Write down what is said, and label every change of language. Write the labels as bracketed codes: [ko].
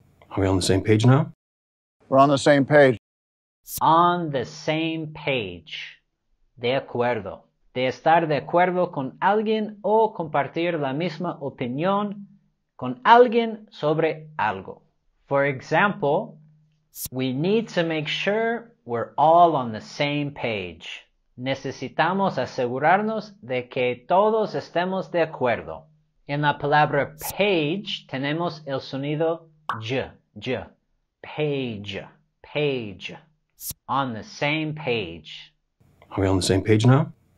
[en] Are we on the same page now? We're on the same page. On the same page. [es] De acuerdo. De estar de acuerdo con alguien o compartir la misma opinión con alguien sobre algo. [en] For example, we need to make sure we're all on the same page. [es] Necesitamos asegurarnos de que todos estemos de acuerdo. En la palabra page, tenemos el sonido j. [en] J. Page. Page. On the same page. Are we on the same page now?